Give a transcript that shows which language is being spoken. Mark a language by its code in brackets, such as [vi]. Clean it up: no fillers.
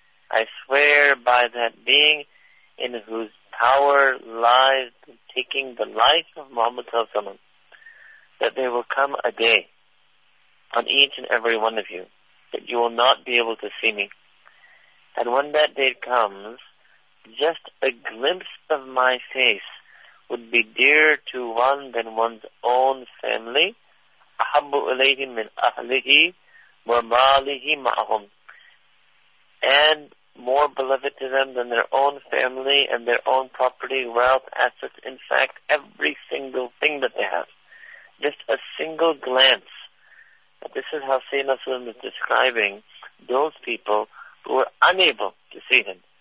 [en] I swear by that being in whose power lies taking the life of Muhammad, that there will come a day on each and every one of you that you will not be able to see me. And when that day comes, just a glimpse of my face would be dearer to one than one's own family. [ar] أحب إليه من أهله وماله معهم. [en] And more beloved to them than their own family and their own property, wealth, assets, in fact, every single thing that they have. Just a single glance. This is how Sayyidina Sulaiman is describing those people who are unable to see him.